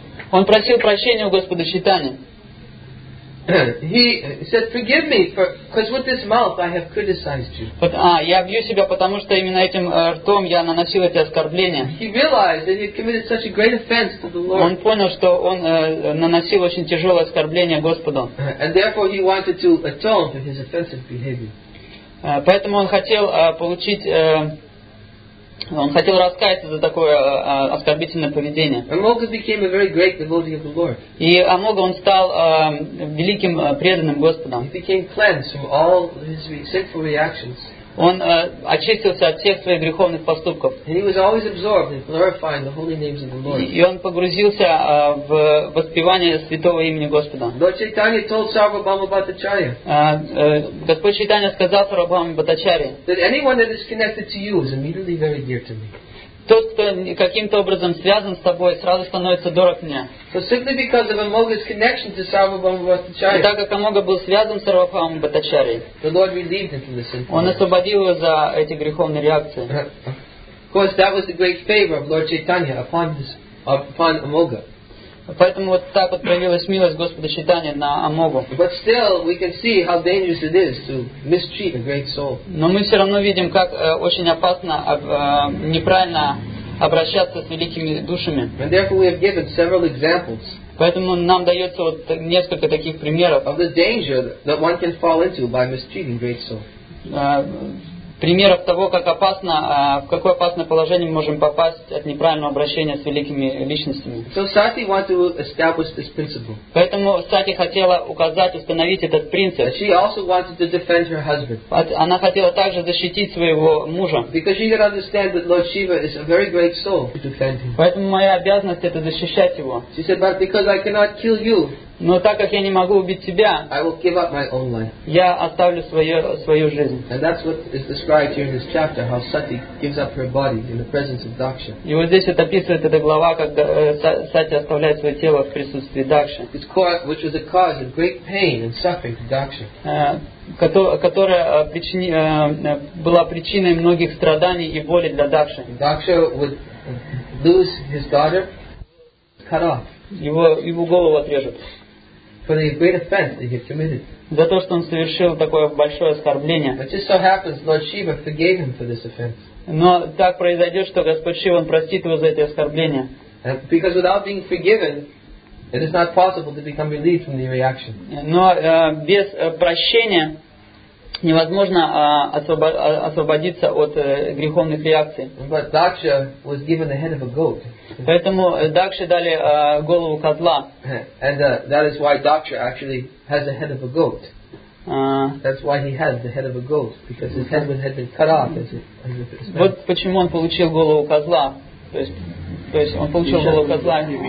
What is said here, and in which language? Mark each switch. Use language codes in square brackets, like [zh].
[ru] Он просил прощения у Господа Чайтанья. [en] He said, "Forgive me, because with this mouth I have criticized you." [ru] But я бью себя, потому что именно этим ртом я наносил эти оскорбления. [en] He realized that he had committed such a great offense to the Lord. [ru] Он понял, что он наносил очень тяжелое оскорбление Господу. [en] And therefore, he wanted to atone for his offensive behavior. [ru] Поэтому он хотел он хотел раскаяться за такое оскорбительное поведение. [en] Amoga became a very great devotee of the Lord. [ru] И Амога, он стал великим преданным Господом. [en] He became cleansed from all his sinful reactions. [ru] Он очистился от всех своих греховных поступков. [en] And he was always absorbed in glorifying the holy names of the Lord. [ru] И он погрузился в воспевание святого имени Господа. [en] Lord Chaitanya told Sarvabhauma Bhattacharya. [ru] Господь Чайтанья сказал Сарвабхауме Бхаттачарье. [en] That anyone that is connected to you is immediately very dear to me. [ru] Тот, кто каким-то образом связан с тобой, сразу становится дорог мне. [en] So simply because of Amoga's connection to Sarvabhauma Bhattacharya. [ru] И так как Амога был связан с Сарвабхаума Бхаттачарьей, [en] the Lord relieved him from the sinful. [ru] Он освободил его за эти греховные реакции. [en] Of course, that was the great favor of Lord Chaitanya upon Amoga. [ru] Поэтому вот так вот проявилась милость Господа Чайтанья на Амогу. [en] But still, we can see how dangerous it is to mistreat a great soul. [ru] Но мы все равно видим, как очень опасно неправильно обращаться с великими душами. [en] And therefore, we have given several examples. [ru] Поэтому нам дается вот несколько таких примеров. [en] Of the danger that one can fall into by mistreating great soul. [ru] Примеров того, как опасно, в какое опасное положение мы можем попасть от неправильного обращения с великими личностями. [en] So Sati wanted to establish this principle. [ru] Поэтому Сати хотела указать, установить этот принцип. [en] She also wanted to defend her husband. [ru] Она хотела также защитить своего мужа. [en] Because she could understand that Lord Shiva is a very great soul to defend him. [ru] Поэтому моя обязанность это защищать его. [en] She said, but because I cannot kill you, [ru] но так как я не могу убить себя, [en] I will give up my own life. [ru] Я оставлю свою жизнь. [en] And that's what is described here in this chapter, how Sati gives up her body in the presence of Daksha. [ru] И вот здесь это описывает эта глава, когда Сати оставляет свое тело в присутствии Дакши. [en] It's caused, which was a cause of great pain and suffering to Daksha. [ru] Которая была причиной многих страданий и боли для Дакши. [en] Daksha would lose his daughter, cut off. [ru] Его голову отрежут. [en] For the great offense that he had committed. [ru] За то, что он совершил такое большое оскорбление. [en] But just so happens, Lord Shiva forgave him for this offense. [ru] Но так произойдет, что Господь Шива он простит его за это оскорбление. [en] Because without being forgiven, it is not possible to become relieved from the reaction. [ru] Но без прощения. невозможно освободиться от греховных реакций. [en] But Daksha was given the head of a goat. [ru] Поэтому Дакше дали голову козла. [en] And that is why Daksha actually has the head of a goat. That's why he has the head of a goat, because his head had been cut off. [ru] Вот почему он получил голову козла. То есть он получил голову козла.